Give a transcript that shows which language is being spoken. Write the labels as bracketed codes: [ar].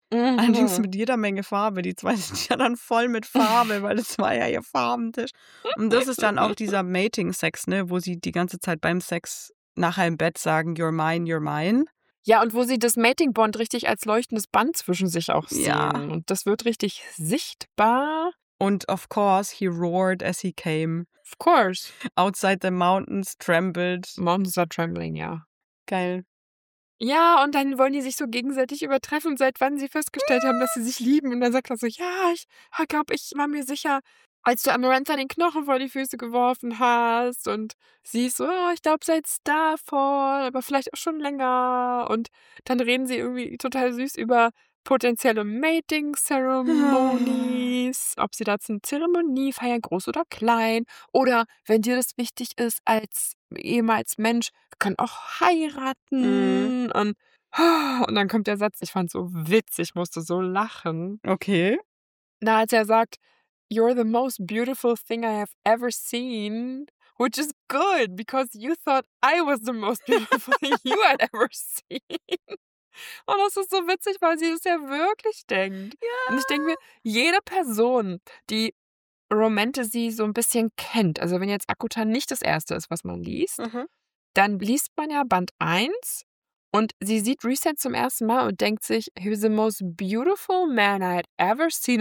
[de] Allerdings mit jeder Menge Farbe. Die zwei sind ja dann voll mit Farbe, weil das war ja ihr Farbentisch. Und das ist dann auch dieser Mating-Sex, ne, wo sie die ganze Zeit beim Sex nachher im Bett sagen, [en] you're mine, you're mine. [de] Ja, und wo sie das Mating-Bond richtig als leuchtendes Band zwischen sich auch sehen. Ja. Und das wird richtig sichtbar. [en] Und of course, he roared as he came. Of course. Outside the mountains trembled. Mountains are trembling, ja. [de] Geil. Ja, und dann wollen die sich so gegenseitig übertreffen, seit wann sie festgestellt haben, dass sie sich lieben. Und dann sagt er so, ja, ich glaube, ich war mir sicher, als du Amarantha den Knochen vor die Füße geworfen hast. Und sie ist so, oh, ich glaube, seit Starfall, aber vielleicht auch schon länger. Und dann reden sie irgendwie total süß über potenzielle Mating-Ceremonies, ob sie dazu eine Zeremonie feiern, groß oder klein. Oder wenn dir das wichtig ist, als ehemals Mensch, wir können auch heiraten. Mhm. Und dann kommt der Satz, ich fand es so witzig, musste so lachen. Okay. Na, als er sagt, [en] you're the most beautiful thing I have ever seen, which is good, because you thought I was the most beautiful thing you had ever seen. [de] Und das ist so witzig, weil sie das ja wirklich denkt. Ja. Und ich denke mir, jede Person, die Romantasy so ein bisschen kennt, also wenn jetzt Akutan nicht das Erste ist, was man liest, dann liest man ja Band 1 Und sie sieht Reset zum ersten Mal und denkt sich, [en] he's the most beautiful man I had ever seen.